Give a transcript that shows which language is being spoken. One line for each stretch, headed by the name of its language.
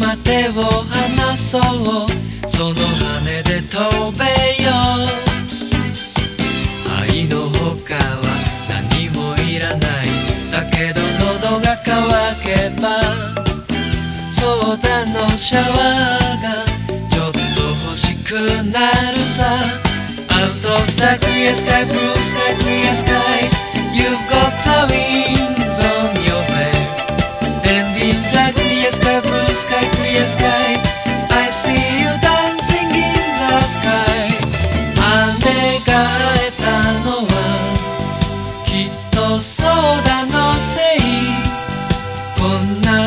Japanese: 手を離そう。その羽で飛べよ。愛の他は何もいらない。だけど喉が渇けばソーダのシャワーがちょっと欲しくなるさ。
English: Out of the clear sky, blue sky, clear sky, You've got the wings on your back. And in the clear sky, blue sky, clearSky. I see you dancing in the sky.
Japanese: 姉が会えたのはきっとソーダのせい。こんな